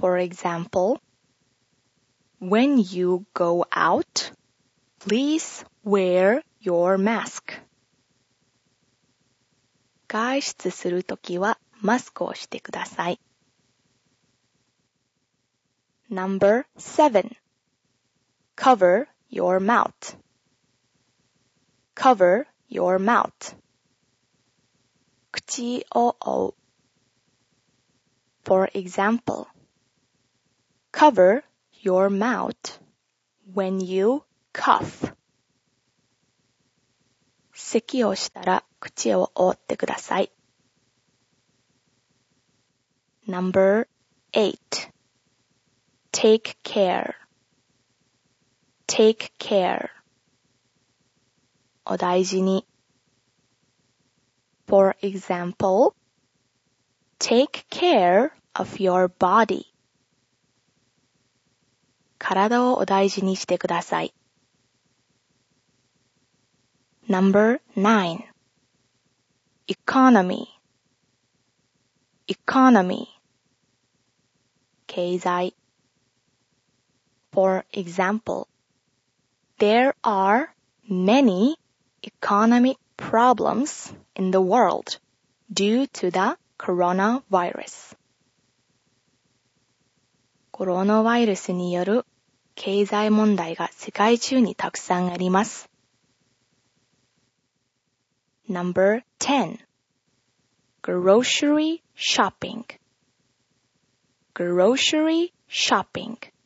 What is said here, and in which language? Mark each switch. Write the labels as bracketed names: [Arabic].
[English] For example,When you go out, please wear your mask. [Japanese] 外出するときはマスクをしてください。 [English] Number 7. Cover your mouth. Cover your mouth. [Japanese] 口を覆う。 [English] For example, cover your mouth when you cough. [Japanese] 咳をしたら口を覆ってください。 [English] Number 8. Take care. Take care. [Japanese] お大事に。 [English] For example, take care of your body. [Japanese] 体をお大事にしてください。 [English] Number 9. Economy. Economy. [Japanese] 経済。 [English] For example, there are many economic problems in the world due to the coronavirus. [Japanese] コロナウイルスによる経済問題が世界中にたくさんあります。 [English] Number 10. Grocery shopping. Grocery shopping.